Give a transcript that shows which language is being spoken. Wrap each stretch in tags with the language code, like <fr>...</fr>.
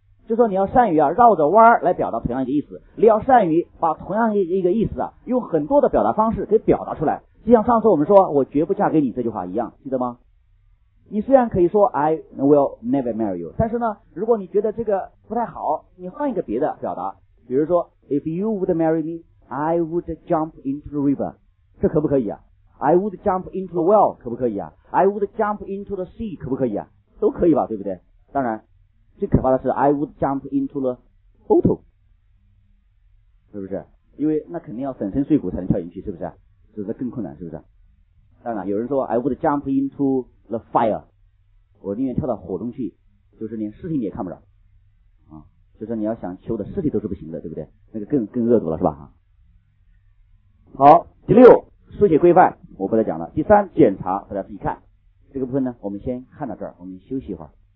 <zh>就说你要善于啊绕着弯来表达同样一个意思，你要善于把同样一个意思啊用很多的表达方式给表达出来，就像上次我们说我绝不嫁给你这句话一样，记得吗？你虽然可以说</zh> <en>I will never marry you，</en> <zh>但是呢如果你觉得这个不太好，你换一个别的表达，比如说</zh> <en>if you would marry me I would jump into the river，</en> <zh>这可不可以啊？</zh> <en>I would jump into the well</en> <zh>可不可以啊？</zh> <en>I would jump into the sea 可不可以啊？</en> <zh>都可以吧，对不对？当然最可怕的是</zh> <en>I would jump into the photo，</en> <zh>是不是？因为那肯定要粉身碎骨才能跳进去，是不是？这是更困难，是不是？当然有人说</zh> <en>I would jump into the fire，</en> <zh>我宁愿跳到火中去，就是连尸体你也看不着啊，就是你要想求的尸体都是不行的，对不对？那个更恶毒了，是吧？好，第六，书写规范我不再讲了。第三，检查，大家自己看这个部分呢，我们先看到这儿，我们休息一会儿。</zh>